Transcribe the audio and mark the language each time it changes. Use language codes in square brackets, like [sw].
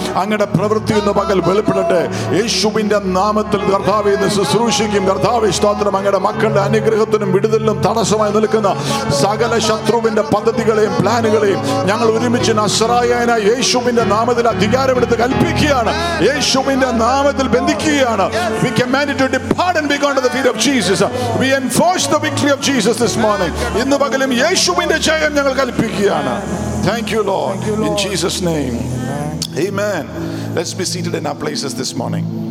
[ml] അങ്ങയുടെ പ്രവൃത്തി ഇന്ന് പകൽ വെളിപ്പെടട്ടെ. യേശുവിൻ്റെ നാമത്തിൽ കർത്താവേ ഇന്ന് ശുശ്രൂഷിക്കും. കർത്താവേ സ്തോത്രം, അങ്ങയുടെ മക്കളുടെ അനുഗ്രഹത്തിനും വിടുതലിനും തടസ്സമായി നിൽക്കുന്ന സകല ശത്രുവിൻ്റെ പദ്ധതികളെയും പ്ലാനുകളെയും ഞങ്ങൾ ഒരുമിച്ച് നസറായനായ യേശുവിൻ്റെ നാമത്തിൽ അധികാരമെടുത്ത് കൽപ്പിക്കുകയാണ്. യേശുവിൻ്റെ നാമത്തിൽ ബന്ധിക്കുകയാണ്. [en] We command it to depart and be gone to the feet of Jesus. We enforce the victory of Jesus this morning. [ml] ഇന്ന് പകലും യേശുവിൻ്റെ ജയം ഞങ്ങൾ കൽപ്പിക്കുകയാണ്. [en] Thank you, Lord. In Jesus' name. Amen. Let's be seated in our places this morning.